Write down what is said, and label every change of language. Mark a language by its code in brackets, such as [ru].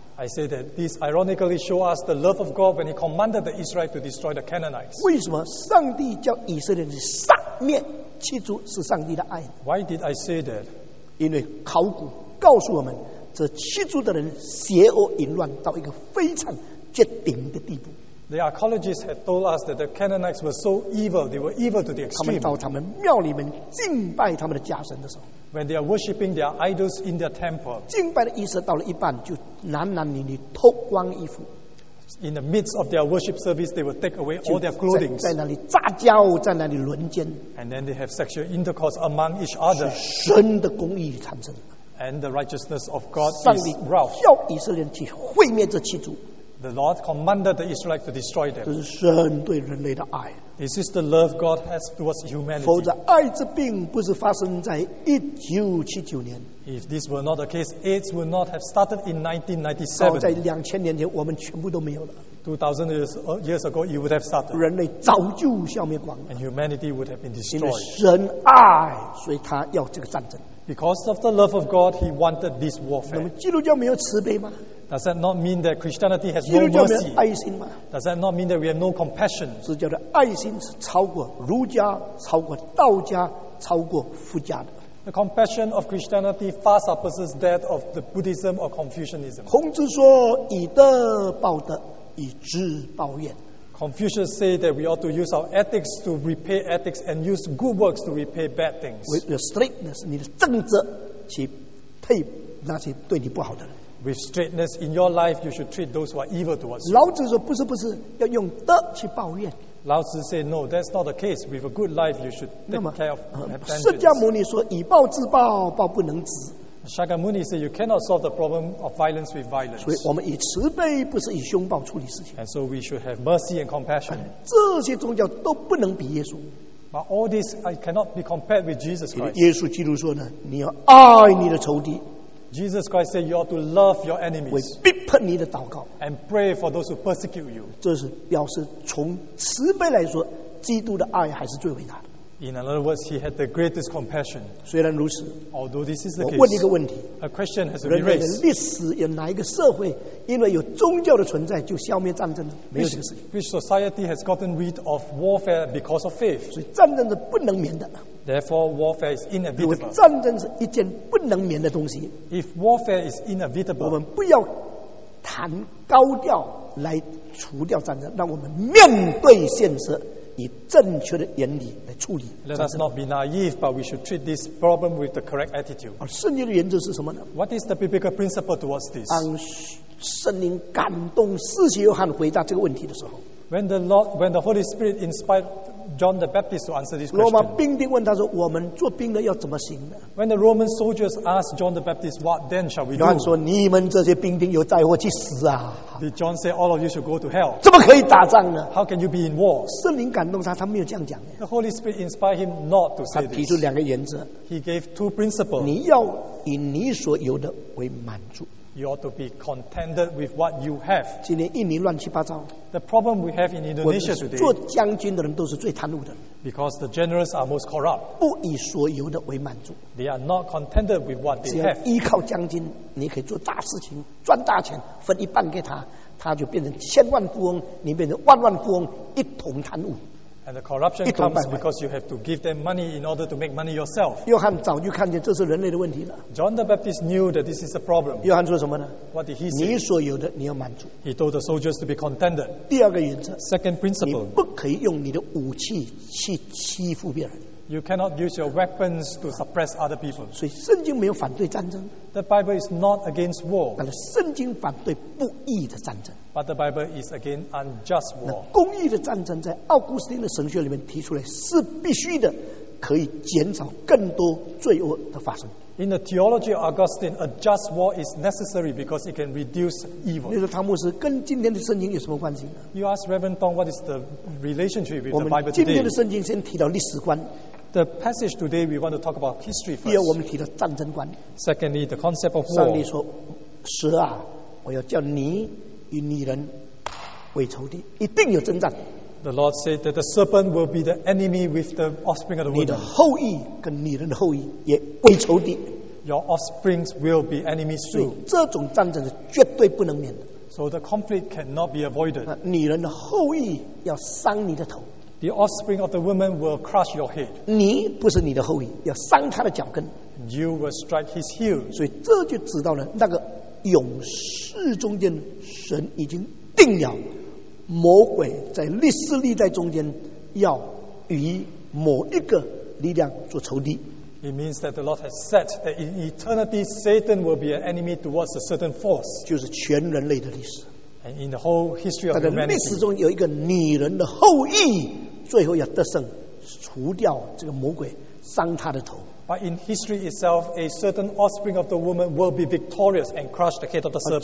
[en] I say that this ironically shows us the love of God when He commanded the Israelites to destroy the Canaanites. [zh] 为什么上帝叫以色列人去杀灭七族是上帝的爱 [en] ？Why did I say that? [zh] 因为考古告诉我们，这七族的人邪恶淫乱到一个非常绝顶的地步。 [en] The archaeologists had told us that the Canaanites were so evil, they were evil to the extreme. [zh] 他们到他们庙里面敬拜他们的家神的时候 [en] ，When they are worshiping their idols in their temple, [zh] 敬拜的仪式到了一半就男男女女脱光衣服。 [en] In the midst of their worship service, they will take away all their clothing. [zh] 在那里杂交，在那里轮奸。 [en] And then they have sexual intercourse among each other. [zh] 是神的公义产生。 [en] And the righteousness of God is roused. [zh] 上帝叫以色列人去毁灭这七族。 [en] The Lord commanded the Israelites to destroy them. [zh] 这是神对人类的爱。 [en] This is the love God has towards humanity. [zh] 否则，艾滋病不是发生在1979年。 [en] If this were not the case, AIDS would not have started in 1997. [zh] 早在2000年前，我们全部都没有了。 [en] 2000 years ago, you would have started. [zh] 人类早就消灭光。 [en] And humanity would have been destroyed. [zh] 因为神爱，所以他要这个战争。 [en] Because of the love of God, He wanted this warfare. [zh] 那么，基督教没有慈悲吗？ [en] Does that not mean that Christianity has no mercy? [zh] 基督教没有爱心吗？ [en] Does that not mean that we have no compassion? [zh] 是叫做爱心是超过儒家、超过道家、超过佛家的。 [en] The compassion of Christianity far surpasses that of the Buddhism or Confucianism. [zh] 孔子说：“以德报德，以智报怨。” [en] Confucius say that we ought to use our ethics to repay ethics and use good works to repay bad things. With your straightness, [zh] 你的正直去配那些对你不好的人。 [en] With straightness in your life, you should treat those who are evil towards you. [zh] 老子说不是不是，要用德去抱怨。 [en] 老子 say no, that's not the case. With a good life, you should take care of vengeance. [zh] 释迦牟尼说以暴制暴，暴不能止。 [en] Shakyamuni said, "You cannot solve the problem of violence with violence." [zh] 所以我们以慈悲，不是以凶暴处理事情。 [en] And so we should have mercy and compassion. [zh] 这些宗教都不能比耶稣。 [en] But all this cannot be compared with Jesus Christ. [zh] 耶稣基督说呢，你要爱你的仇敌。 [en] Jesus Christ said, "You ought to love your enemies." [zh] 为逼迫你的祷告。 [en] And pray for those who persecute you. [zh] 这是表示从慈悲来说，基督的爱还是最伟大的。 [en] In other words, he had the greatest compassion. [zh] 虽然如此 [en] although this is the case, [zh] 我问一个问题 [en] a question has to be raised. [zh] 人类的历史有哪一个社会因为有宗教的存在就消灭战争呢？没有这个事情。 [en] Which society has gotten rid of warfare because of faith? [zh] 所以战争是不能免的。 [en] Therefore, warfare is inevitable. [zh] 因为战争是一件不能免的东西。 [en] If warfare is inevitable, [zh] 我们不要谈高调来除掉战争，让我们面对现实，以正确的原理来处理。 [en] Let us not be naive, but we should treat this problem with the correct attitude. [zh] 而圣经的原则是什么呢 [en] ？What is the biblical principle towards this? [zh] 当圣灵感动使徒约翰回答这个问题的时候 [en] ，When the Holy Spirit inspired John the Baptist to answer this question. [zh] 罗马兵丁问他说：“我们做兵的要怎么行呢 [en] ？”When the Roman soldiers asked John the Baptist, "What then shall we do?" [zh] 约翰说：“你们这些兵丁有灾祸去死啊！” [en] Did John say, "All of you should go to hell"? [zh] 怎么可以打仗呢 [en] ？How can you be in war? [zh] 圣灵感动他，他没有这样讲。 [en] The Holy Spirit inspired him not to say this. [zh] 他提出两个原则。 [en] He gave two principles. [zh] 你要以你所有的为满足。 [en] You ought to be contented with what you have. [zh] 今天印尼乱七八糟。 [en] The problem we have in Indonesia today. [zh] 做将军的人都是最贪污的。 [en] Because the generals are most corrupt. [zh] 不以所有的为满足。 [en] They are not contented with what they have. [zh] 只要依靠将军，你可以做大事情，赚大钱，分一半给他，他就变成千万富翁，你变成万万富翁，一同贪污。 [en] And the corruption comes because you have to give them money in order to make money yourself. [zh] 约翰早就看见这是人类的问题了。 [en] John the Baptist knew that this is a problem. [zh] 约翰说什么呢 [en] ？What did he say? [zh] 你所有的你要满足。 [en] He told the soldiers to be contented. [zh] 第二个原则 [en] ，Second principle， [zh] 你不可以用你的武器去欺负别人。 [en] You cannot use your weapons to suppress other people. [zh] 所以圣经没有反对战争。 [en] The Bible is not against war. [zh] 但是圣经反对不义的战争。 [en] But the Bible is against unjust war. [zh] 公义的战争在奥古斯丁的神学里面提出来是必须的，可以减少更多罪恶的发生。 [en] In the theology of Augustine, a just war is necessary because it can reduce evil. [zh] 你说汤姆斯跟今天的圣经有什么关系呢 [en] ？You ask Reverend Tong, what is the relationship with the Bible today? [zh] 我们今天的圣经先提到历史观。 [en] The passage today we want to talk about history first. [zh] 第二，我们提到战争观。 [en] Secondly, the concept of war. [zh] 上帝说：“蛇啊，我要叫你与女人为仇敌，一定有征战。” [en] The Lord said that the serpent will be the enemy with the offspring of the woman. [zh] 你的后裔跟女人的后裔也为仇敌。 [en] Your offspring will be enemies too. [zh] 这种战争是绝对不能免的。 [en] So the conflict cannot be avoided. [zh] 女人的后裔要伤你的头。 [en] The offspring of the woman will crush your head. [zh] 你不是你的后裔，要伤他的脚跟。 [en] You will strike his heel. [zh] 所以这就知道了那个勇士中间，神已经定了，魔鬼在历史历代中间要与某一个力量做仇敌。 [en] It means that the Lord has said that in eternity Satan will be an enemy towards a certain force. [zh] 就是全人类的历史。 [en] And in the whole history of humanity, [zh] 但在历史中有一个女人的后裔，最后要得胜，除掉这个魔鬼，伤他的头。 [en] But in history itself, a certain offspring of the woman will be victorious and crush the head of the serpent.